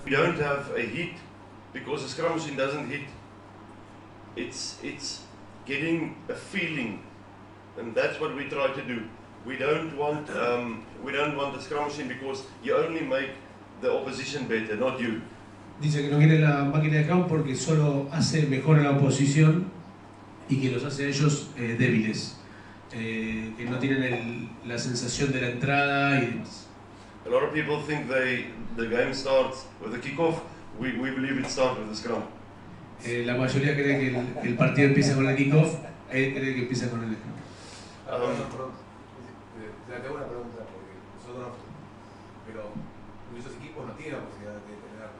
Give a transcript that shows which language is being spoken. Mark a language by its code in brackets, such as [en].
[en] We don't have a hit, because a Scrum machine doesn't hit. It's getting a feeling, and that's what we try to do. We don't want a Scrum machine, because you only make the opposition better, not you. [es] Dice que no quiere la máquina de Scrum porque solo hace mejor a la oposición y que los hace a ellos débiles, que no tienen la sensación de la entrada y demás. [en] A lot of people think the game starts with a kickoff. We believe it starts with the scrum. [es] La mayoría cree que el partido empieza con el kickoff. Él cree que empieza con el scrum. Tengo una pregunta, porque nosotros, pero esos equipos no tienen la posibilidad de entrenar.